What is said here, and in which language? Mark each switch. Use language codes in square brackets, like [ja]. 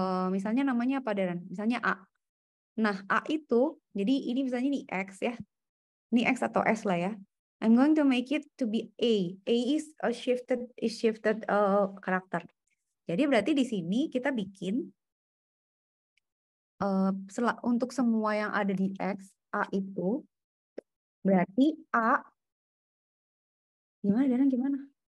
[id] Misalnya namanya apa, Darren? Misalnya A. Nah, A itu, jadi ini misalnya ini X ya. Ini X atau S lah ya. [en] I'm going to make it to be A. A is a shifted, character. [id] Jadi berarti di sini kita bikin untuk semua yang ada di X, A itu, berarti A, gimana, Darren, gimana?